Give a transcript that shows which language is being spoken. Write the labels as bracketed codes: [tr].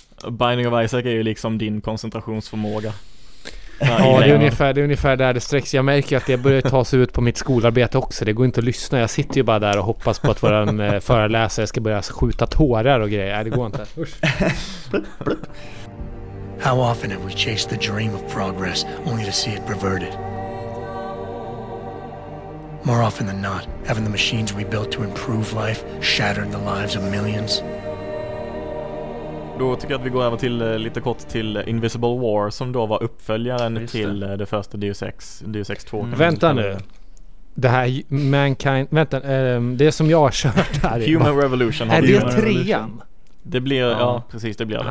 [sv] Binding of Isaac är ju liksom din koncentrationsförmåga. Ja, det är ungefär där det sträcks. Jag märker att det börjar ta sig ut på mitt skolarbete också. Det går inte att lyssna. Jag sitter ju bara där och hoppas på att vår föreläsare ska börja skjuta tårar och grejer. Det går inte. [en] How often have we chased the dream of progress only to see it perverted? More often than not, having the machines we built to improve life shattered the lives of millions. [sv] Då tycker jag att vi går över till lite kort till Invisible War, som då var uppföljaren till det första Deus Ex, Deus Ex 2. Vänta nu. Det här Mankind, vänta, det som jag har kört här. Human Revolution. Är det trean? Det blir, ja, precis, det blir det.